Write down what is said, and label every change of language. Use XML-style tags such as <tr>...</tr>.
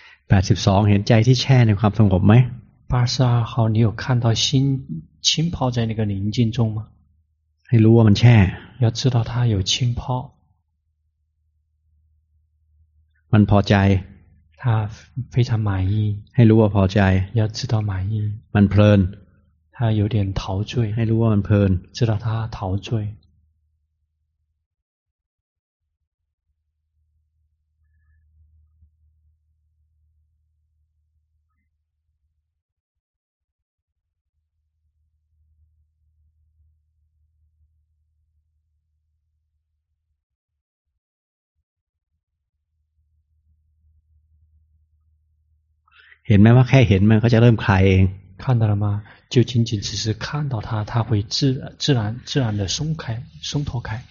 <th>82เห็นใจที่แช่ในความสงบไหม</th> <zh>82号你有看到心浸泡在那个宁静中吗</zh> <th>ให้รู้ว่ามันแช่</th> <zh>要知道它有浸泡</zh> <th>มันพอใจ</th> <zh>它非常满意</zh> <th>ให้รู้ว่าพอใจ</th> <zh>要知道满意</zh> <th>มันเพลิน</th> <zh>它有点陶醉</zh> <th>ให้รู้ว่ามันเพลิน</th> <zh>知道它陶醉</zh> <th>เห็นไหมว่าแค่เห็นมันก็จะเริ่มคลายเอง</th> <zh>看到了吗就仅仅只是看到它它会自然的松开松脱开</zh>